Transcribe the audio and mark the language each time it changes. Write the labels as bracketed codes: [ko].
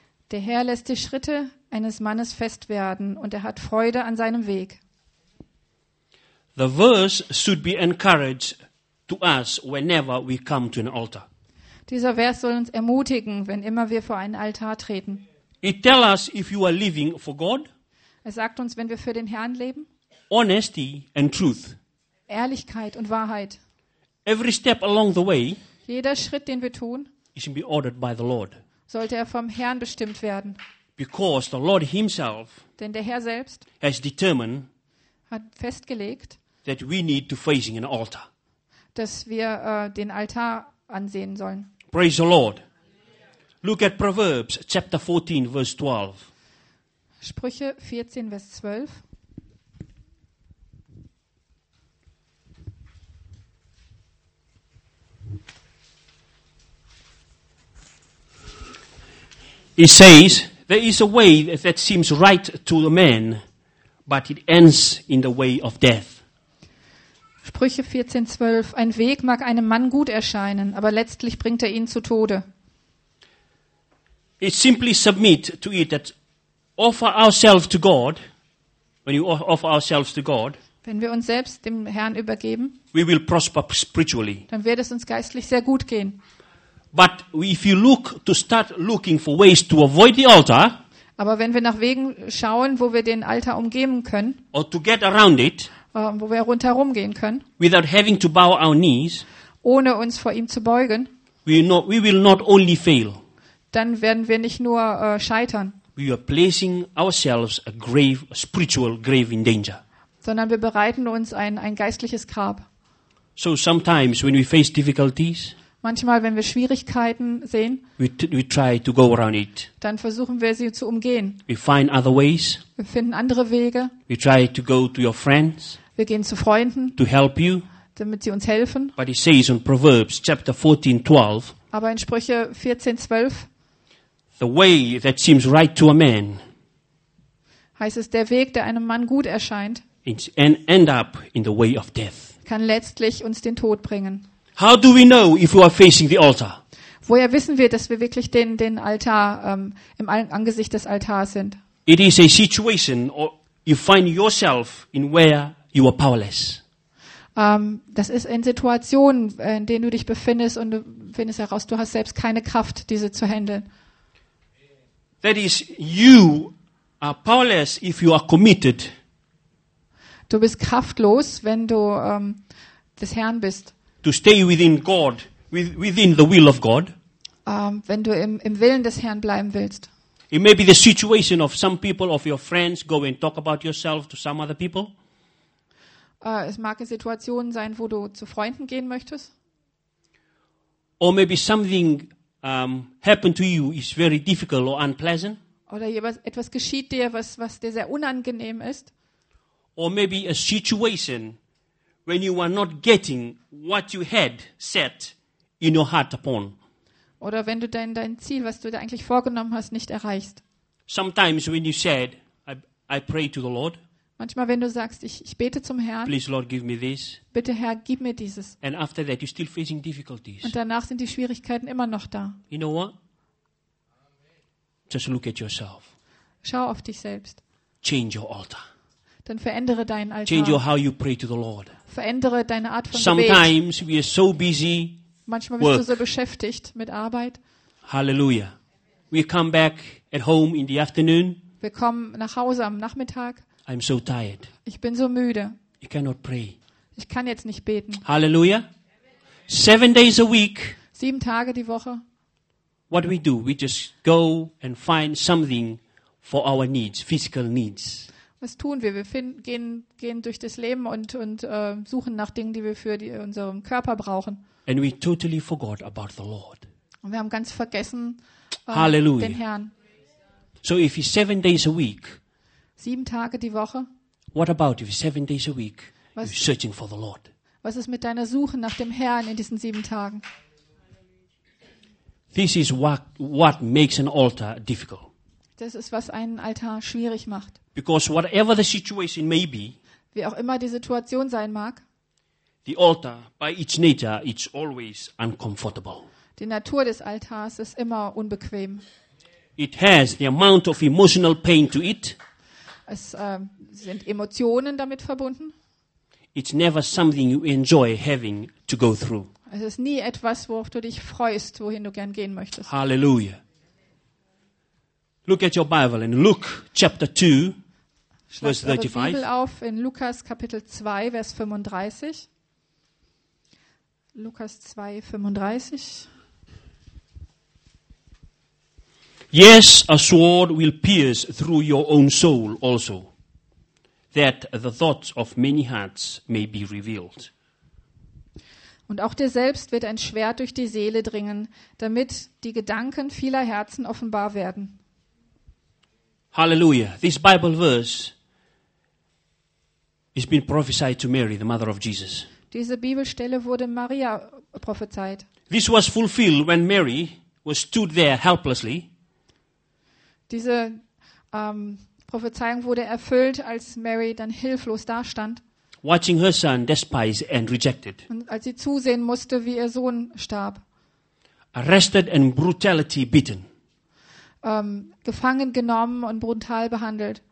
[de] Der Herr lässt die Schritte eines Mannes fest werden, und er hat Freude an seinem Weg. [en] The verse should be encouraged to us whenever we come to an altar. [de] Dieser Vers soll uns ermutigen, wenn immer wir vor einen Altar treten. [en] It tells us if you are living for God. [de] Es sagt uns, wenn wir für den Herrn leben. [en] Honesty and truth. [de] Ehrlichkeit und Wahrheit. [en] Every step along the way. [de] Jeder Schritt, den wir tun. [en] Is to be ordered by the Lord. [de] Sollte er vom Herrn bestimmt werden. [en] Because the Lord himself. [de] Denn der Herr selbst. [en] Has determined. [de] Hat festgelegt. [en] That we need to facing an altar. [de] Dass wir den Altar ansehen sollen. [en] Praise the Lord. Look at Proverbs chapter 14 verse 12. [de] Sprüche 14 Vers 12. [en] It says there is a way that seems right to the man, but it ends in the way of death. [de] Sprüche 14 12. Ein Weg mag einem Mann gut erscheinen, aber letztlich bringt er ihn zu Tode. [en] It simply submit to it that offer ourselves to God. When you offer ourselves to God, [de] wenn wir uns selbst dem Herrn übergeben, [en] we will prosper spiritually. [de] Dann wird es uns geistlich sehr gut gehen. [en] But if you look to start looking for ways to avoid the altar, [de] aber wenn wir nach Wegen schauen, wo wir den Altar umgehen können, [en] or to get around it, [de] wo wir rundherum gehen können, [en] without having to bow our knees, [de] ohne uns vor ihm zu beugen, [en] we will not only fail. [de] Dann werden wir nicht nur scheitern. [en] We are placing ourselves a grave, a spiritual grave in danger. [de] Sondern wir bereiten uns ein geistliches Grab. [en] So sometimes when we face difficulties, [de] Manchmal, wenn wir Schwierigkeiten sehen, [en] we try to go around it. [de] Dann versuchen wir, sie zu umgehen. [en] We find other ways. [de] Wir finden andere Wege. [en] We try to go to your friends. [de] Wir gehen zu Freunden, [en] to help you. [de] Damit sie uns helfen. [en] But it says in Proverbs chapter 14, 12, [de] aber in Sprüche 14, 12, [en] the way that seems right to a man, [de] heißt es, der Weg, der einem Mann gut erscheint, [en] end up in the way of death. [de] Kann letztlich uns den Tod bringen. [en] How do we know if we are facing the altar? [de] Woher wissen wir, dass wir wirklich den Altar im Angesicht des Altars sind? [en] It is a situation or you find yourself in where you are powerless. [de] Das ist in Situationen, in denen du dich befindest und du findest heraus, du hast selbst keine Kraft, diese zu handeln. [en] That is, you are powerless if you are committed. [de] Du bist kraftlos, wenn du des Herrn bist. [en] To stay within God, within the will of God. [de] Wenn du im Willen des Herrn bleiben willst. [en] It may be the situation of some people, of your friends, go and talk about yourself to some other people. [de] Es mag eine Situation sein, wo du zu Freunden gehen möchtest. [en] Or maybe something happened to you is very difficult or unpleasant. [de] Oder etwas geschieht dir, was dir sehr unangenehm ist. [en] Or maybe a situation when you are not getting what you had set in your heart upon. [de] Oder wenn du dein Ziel, was du dir eigentlich vorgenommen hast, nicht erreichst. [en] Sometimes when you said, I pray to the Lord. [de] Manchmal, wenn du sagst, ich bete zum Herrn, [en] please, Lord, give me this. [de] Bitte Herr, gib mir dieses. [en] And after that, you're still facing difficulties. [de] Und danach sind die Schwierigkeiten immer noch da. [en] You know what? Just look at yourself. [de] Schau auf dich selbst. [en] Change your altar. [de] Dann verändere deinen Altar. [en] Change how you pray to the Lord. [de] Verändere deine Art von [en] Sometimes [de] Gebet. [en] We are so busy. [de] Manchmal bist du so beschäftigt mit Arbeit. Halleluja. [en] We come back at home in the afternoon. [de] Wir kommen nach Hause am Nachmittag. [en] I'm so tired. [de] Ich bin so müde. [en] I cannot pray. [de] Ich kann jetzt nicht beten. [en] Hallelujah. 7 days a week. [de] 7 Tage die Woche. [en] What do we do? We just go and find something for our needs, physical needs. [de] Was tun wir? Wir gehen durch das Leben und suchen nach Dingen, die wir für unseren Körper brauchen. [en] And we totally forgot about the Lord. [de] Und wir haben ganz vergessen [en] Hallelujah. [de] Den Herrn. [en] So if it's 7 days a week. [de] 7 Tage die Woche. [en] What about if 7 days a week you're searching for the Lord? [de] Was ist mit deiner Suche nach dem Herrn in diesen 7 Tagen? [en] This is what makes an altar difficult. [de] Das ist, was einen Altar schwierig macht. [en] Because whatever the situation may be, [de] wie auch immer die Situation sein mag, [en] the altar by its nature it's always uncomfortable. [de] Die Natur des Altars ist immer unbequem. [en] It has the amount of emotional pain to it. [de] Es sind Emotionen damit verbunden. [en] It's never something you enjoy having to go through. [de] Es ist nie etwas, worauf du dich freust, wohin du gern gehen möchtest. Halleluja. [en] Look at your Bible in Luke chapter 2, verse 35. [de] Schlag eure Bibel auf in Lukas Kapitel 2, Vers 35. Lukas 2, 35. [en] Yes, a sword will pierce through your own soul also, that the thoughts of many hearts may be revealed. [de] Und auch dir selbst wird ein Schwert durch die Seele dringen, damit die Gedanken vieler Herzen offenbar werden. Halleluja. [en] This Bible verse has been prophesied to Mary, the mother of Jesus. [de] Diese Bibelstelle wurde Maria prophezeit. [en] This was fulfilled when Mary was stood there helplessly. [de] Diese Prophezeiung wurde erfüllt, als Mary dann hilflos dastand. [en] Watching her son despised and rejected. [de] Und als sie zusehen musste, wie ihr Sohn starb. [en] Arrested and brutality beaten. [de] Gefangen genommen und brutal behandelt.